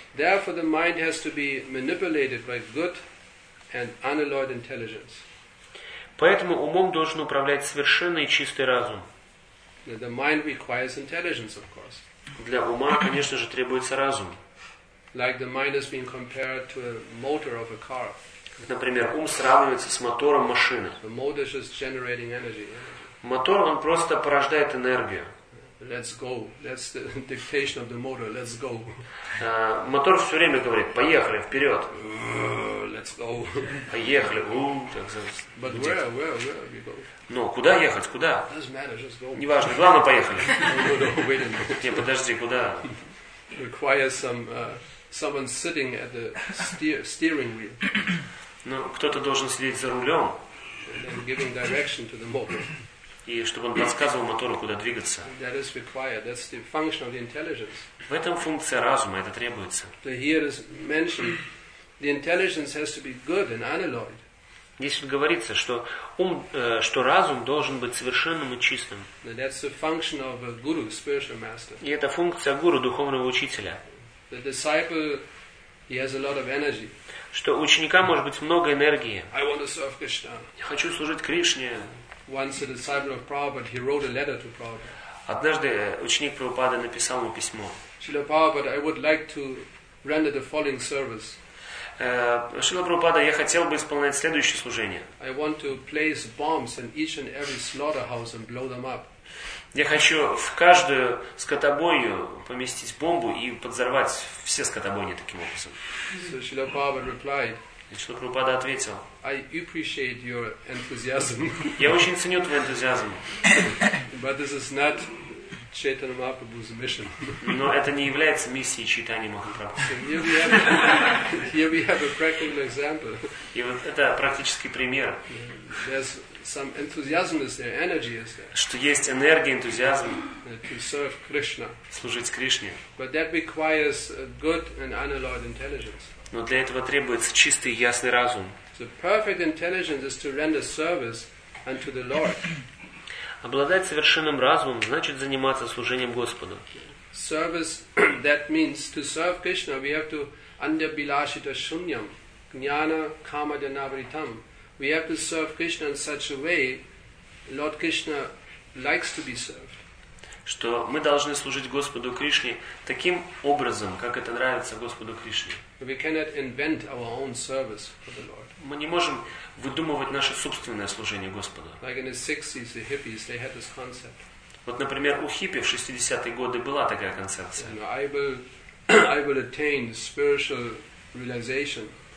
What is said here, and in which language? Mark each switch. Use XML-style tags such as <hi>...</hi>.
<en>Therefore, the mind has to be manipulated by good and unalloyed intelligence.</en> <ru>Поэтому умом должен управлять совершенный и чистый разум.</ru> <en>The mind requires intelligence, of course.</en> <ru>Для ума, конечно же, требуется разум.</ru> <en>Like the mind is being compared to a motor of a car.</en> <ru>Например, ум сравнивается с мотором машины.</ru> <en>The motor is generating energy. Мотор, он просто порождает энергию. Let's go. That's the dictation of the motor. Let's go.</en> <ru>Мотор все время говорит: поехали, вперед.</ru> <en>Let's go.</en> <ru>Поехали.</ru> <en>But where we go?</en> <ru>Но куда ехать, куда?</ru> <en>Doesn't matter, just go.</en> <ru>Неважно, главное, поехали.</ru> <en>No,</en> <ru>нет, подожди, куда?</ru> <en>Requires someone sitting at the steering wheel.</en> <ru>Но кто-то должен сидеть за рулем.</ru> <en>And then giving direction to the motor.</en> <ru>И чтобы он подсказывал мотору, куда двигаться.</ru> <en>That is required. That's the function of the intelligence.</en> <ru>В этом функция разума, это требуется.</ru> <en>So here is mentioned, the intelligence has to be good and unalloyed.</en> <ru>Здесь вот говорится, что что разум должен быть совершенным и чистым.</ru> <en>And that's the function of a guru, spiritual master.</en> <ru>И это функция гуру, духовного учителя.</ru> <en>The disciple, he has a lot of energy.</en> <ru>Что у ученика может быть много энергии.</ru> <en>I want to serve Krishna.</en> <ru>Я хочу служить Кришне.</ru> <en>Once a disciple of Prabhupada, he wrote a letter to Prabhupada.</en> <ru>Однажды ученик Прабхупады написал ему письмо.</ru> <en>Srila Prabhupada, I would like to render the following service.</en> <ru>Srila Prabhupada, я хотел бы исполнять следующее служение.</ru> <en>I want to place bombs in each and every slaughterhouse and blow them up.</en> <ru>Я хочу в каждую скотобойню поместить бомбу и подорвать все скотобойни таким образом.</ru> <en>So Srila Prabhupada replied.</en> <ru>Что Прабхупада ответил.</ru> <en>I appreciate your enthusiasm.</en> <ru>Я очень ценю твой энтузиазм.</ru> <en>But this is not Chaitanya Mahaprabhu's mission.</en> <ru>Но это не является миссией Чайтаньи Махапрабху.</ru> <en>So here we have a practical example.</en> <ru>И вот это практический пример.</ru> <en>There's some enthusiasm is there, energy is there.</en> <ru>Что есть энергия, энтузиазм.</ru> <en>To serve Krishna.</en> <ru>Служить Кришне.</ru> <en>But that requires a good and unalloyed intelligence.</en> <ru>Но для этого требуется чистый и ясный разум.</ru> <en>So perfect intelligence is to render service unto the Lord.</en> <ru>Обладать совершенным разумом значит заниматься служением Господу.</ru> <en>Service, that means to serve Krishna, we have to</en> <sa>andabilashita shunyam, jnana kama janavritam.</sa> <en>We have to serve Krishna in such a way Lord Krishna likes to be served.</en> <ru>Что мы должны служить Господу Кришне таким образом, как это нравится Господу Кришне.</ru> <en>We cannot invent our own service for the Lord.</en> <ru>Мы не можем выдумывать наше собственное служение Господу.</ru> <en>Like in the 60s, the hippies, they had this concept.</en> <ru>Вот, например, у хиппи в 60-е годы была такая концепция.</ru> <en>You know, I will attain spiritual realization.</en>